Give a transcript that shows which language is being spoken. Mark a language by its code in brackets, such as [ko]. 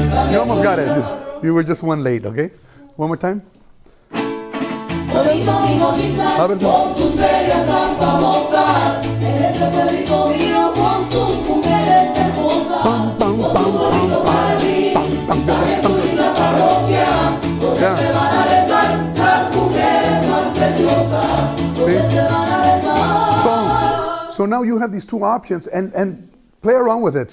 [en] You almost got it. You were just one late, okay? One more time. [es] A ver, con sus ferias tan famosas, en este pueblito mío, con sus mujeres hermosas, pam, pam, con su bonito barri, pam, pam, en su linda parroquia, donde yeah. se van a rezar las mujeres más preciosas, donde sí. se van a rezar. [en] So now you have these two options, and play around with it.